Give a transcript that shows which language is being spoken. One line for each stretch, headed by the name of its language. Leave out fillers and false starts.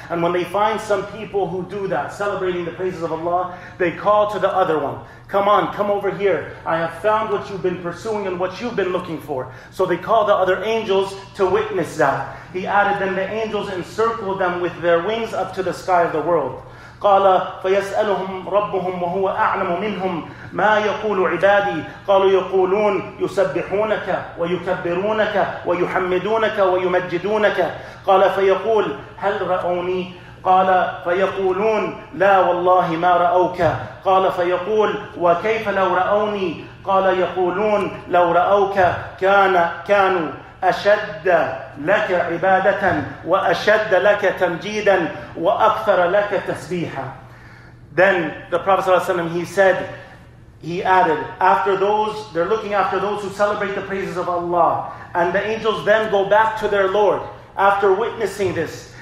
English: And when they find some people who do that, celebrating the praises of Allah, they call to the other one, come on, come over here. I have found what you've been pursuing and what you've been looking for. So they call the other angels to witness that. He added, then the angels encircle them with their wings up to the sky of the world.
Arabic: قَالَ فَيَسْأَلُهُمْ رَبُّهُمْ وَهُوَ أَعْلَمُ مِنْهُمْ مَا يَقُولُ عِبَادِي قَالُوا يَقُولُونَ يُسَبِّحُونَكَ وَيُكَبِّرُونَكَ وَيُحَمِّدُونَكَ وَيُمَجِّدُونَكَ قَالَ فَيَقُولُ هَلْ رَأَوْنِي قال فيقولون لا والله ما رأوك قال فيقول وكيف لو رأوني قال يقولون لو رأوك كانوا أشد لك عبادة وأشد لك تمجيدا وأكثر لك تسبيحا.
English: Then the Prophet
Arabic: صلى الله عليه وسلم,
English: he added, after those, they're looking after those who celebrate the praises of Allah, and the angels then go back to their Lord after witnessing this.